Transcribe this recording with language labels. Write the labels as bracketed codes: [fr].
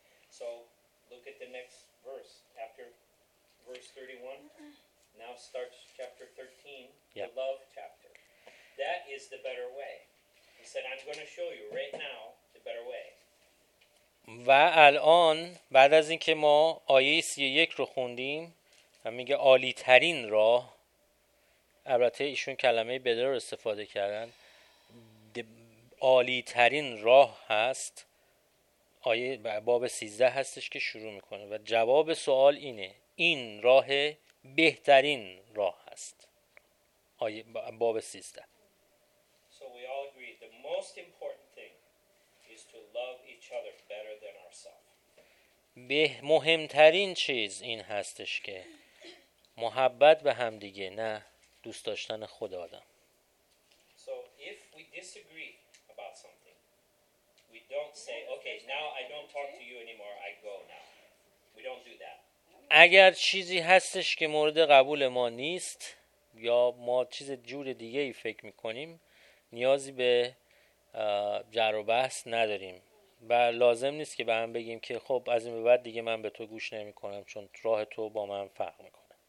[en] So look at the next verse after verse 31. Now starts chapter 13, yep. The love chapter. That is the better way. He said I'm going to show you right now the better way. [fa] و الان بعد از اینکه ما آیه 31 رو خوندیم و میگه عالی ترین راه، البته ایشون کلمه بدر رو استفاده کردن، عالی ترین راه هست، آیه باب 13 هستش که شروع میکنه و جواب سوال اینه این راه بهترین راه هست، آیه باب 13. [en] So we all agree the most important thing is to love each other better than ourselves. [fa] به مهمترین چیز این هستش که محبت به هم دیگه، نه دوست داشتن خود آدم. [en] So if we disagree about something, we don't say, okay, now I don't talk to you anymore, I go now. We don't do that. [fa] اگر چیزی هستش که مورد قبول ما نیست یا ما چیز جور دیگه ای فکر میکنیم، نیازی به جر و بحث نداریم و لازم نیست که به هم بگیم که خب از این به بعد دیگه من به تو گوش نمیکنم چون راه تو با من فرق میکنه.